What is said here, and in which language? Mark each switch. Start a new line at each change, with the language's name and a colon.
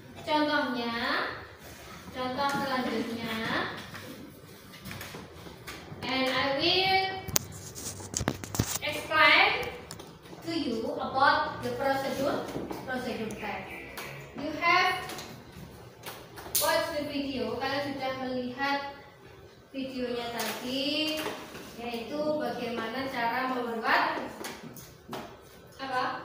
Indonesian: Contohnya, contoh selanjutnya.
English: And I will explain to you about the procedure tag. You have watch the video.
Indonesian: Kalian sudah melihat videonya tadi, yaitu bagaimana cara membuat apa?